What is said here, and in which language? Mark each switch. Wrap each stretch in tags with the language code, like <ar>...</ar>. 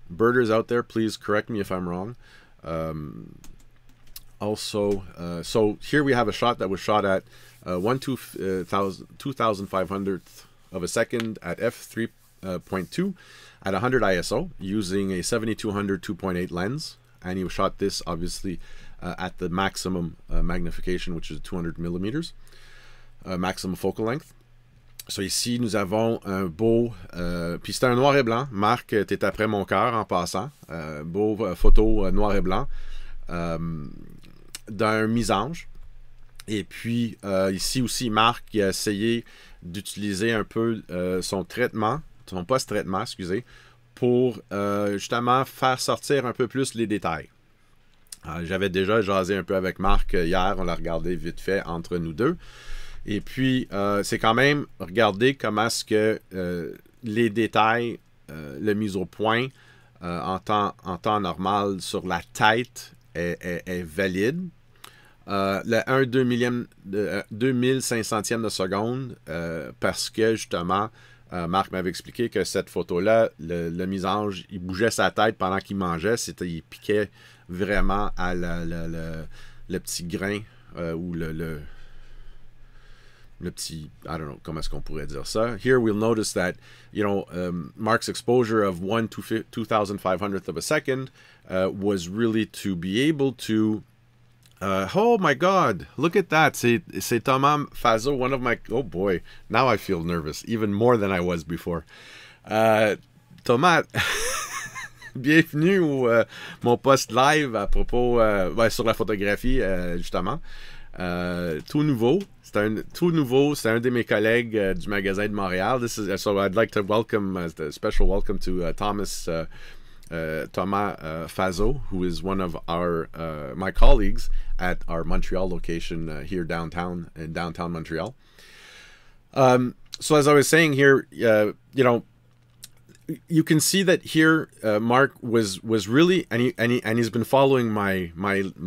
<en>Birders out there, please correct me if I'm wrong. So here we have a shot that was shot at 1/2500th of a second at f3.2 at 100 ISO using a 7200 2.8 lens, and he shot this obviously at the maximum magnification, which is 200 millimeters maximum focal length.</en> <fr>So ici nous avons un beau puis c'était un noir et blanc. Marc, t'es après mon cœur en passant. Beau photo noir et blanc d'un misange. Et puis ici aussi Marc a essayé d'utiliser un peu son traitement, son post-traitement, excusez, pour justement faire sortir un peu plus les détails. J'avais déjà jasé un peu avec Marc hier, on l'a regardé vite fait entre nous deux. Et puis, c'est quand même regarder comment est-ce que les détails, la mise au point en temps normal sur la tête est valide. Le 1/2500e de seconde, parce que justement, Marc m'avait expliqué que cette photo-là, le misange, il bougeait sa tête pendant qu'il mangeait. C'était, il piquait vraiment à le petit grain ou le le petit,</fr> <en>I don't know,</en> <fr>comment est-ce qu'on pourrait dire ça.</fr> <en>Here we'll notice that, you know, Mark's exposure of 1/2500th of a second was really to be able to, oh my God, look at that. C'est Thomas Fazeau, one of my, oh boy, now I feel nervous, even more than I was before.</en> <fr>Thomas, bienvenue au mon post live à propos, ben, sur la photographie, justement. Tout nouveau. C'est un de mes collègues du magasin de Montréal.</fr> <en>This is, so I'd like to welcome, as a special welcome to Thomas Fazeau, who is one of our my colleagues at our Montreal location here downtown, in downtown Montreal. So as I was saying here, you know, you can see that here Mark was really, and he's been following my</en>